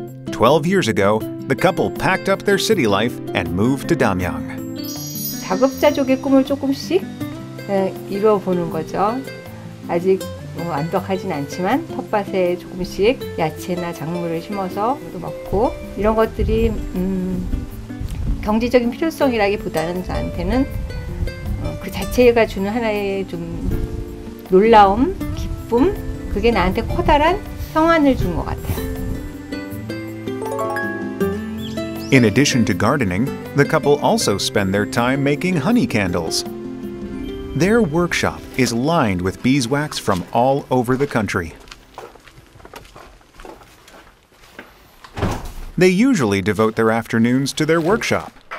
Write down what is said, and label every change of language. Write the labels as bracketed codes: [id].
[en] 12 years ago, the couple packed up their city life and moved to Damyang. [ko] 작업자족의 꿈을 조금씩 이루어보는 거죠. 아직 완벽하진 않지만 텃밭에 조금씩 야채나 작물을 심어서 먹고 이런 것들이 경제적인 필요성이라기보다는 저한테는 그 자체가 주는 하나의 좀 놀라움, 기쁨, 그게 나한테 커다란 평안을 준 것 같아요. [en] In addition to gardening, the couple also spend their time making honey candles. Their workshop is lined with beeswax from all over the country. They usually devote their afternoons to their workshop.